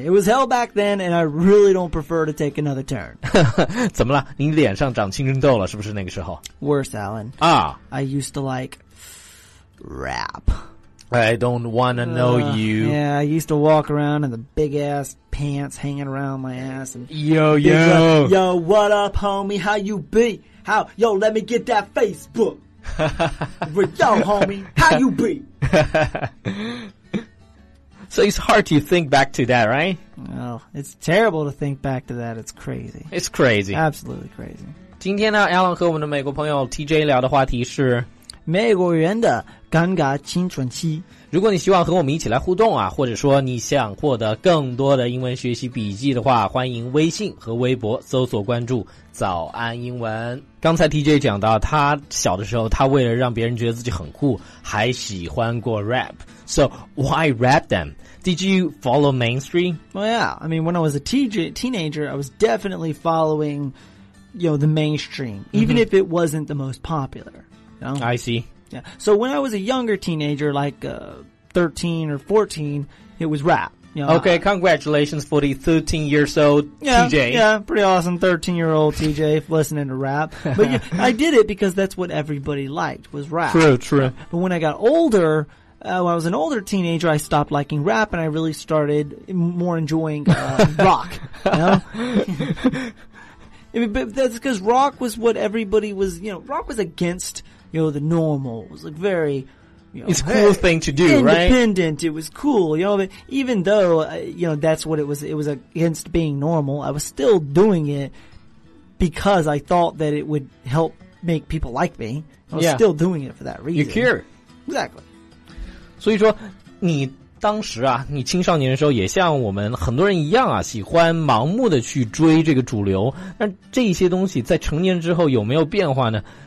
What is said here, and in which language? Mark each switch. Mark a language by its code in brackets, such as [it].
[en] It was hell back then and I really don't prefer to take another turn. [zh] 怎么了？你脸上长青春痘了是不是那个时候？ [en] Worse, Alan. Ah. I used to like rap. I don't want to know you. Yeah, I used to walk around in the big ass pants hanging around my ass. And yo, yo. Like, yo, what up, homie? How you be? How? Yo, let me get that Facebook. But yo, homie, how you be? So it's hard to think back to that, right? Well, it's terrible to think back to that. It's crazy. It's crazy. Absolutely crazy. [zh] 今天呢 ,Alan 和我们的美国朋友 TJ 聊的话题是美国人的尴尬青春期。如果你希望和我们一起来互动啊，或者说你想获得更多的英文学习笔记的话，欢迎微信和微博搜索关注早安英文。刚才 TJ 讲到他小的时候，他为了让别人觉得自己很酷，还喜欢过 rap。 [en] So why rap then? Did you follow mainstream? Well yeah, I mean when I was a teenager I was definitely following, you know, the mainstream, even、mm-hmm. if it wasn't the most popular, you know? I see Yeah. So when I was a younger teenager, like 13 or 14, it was rap. You know, okay, congratulations for the 13-year-old TJ. Yeah, pretty awesome 13-year-old TJ listening to rap. But yeah, I did it because that's what everybody liked was rap. True, true. But when I got older, when I was an older teenager, I stopped liking rap and I really started more enjoying rock. You know? I mean, but that's because rock was what everybody was, you know, rock was against, you know, the normal. It was like very, you know. It's a cool thing to do, independent. Right? Independent. It was cool, you know, but even though, you know, that's what it was against being normal, I was still doing it because I thought that it would help make people like me. I was、 yeah. still doing it for that reason. You're cured. Exactly. [zh] 所以说你当时啊，你青少年的时候也像我们很多人一样啊，喜欢盲目的去追这个主流。那这些东西在成年之后有没有变化呢？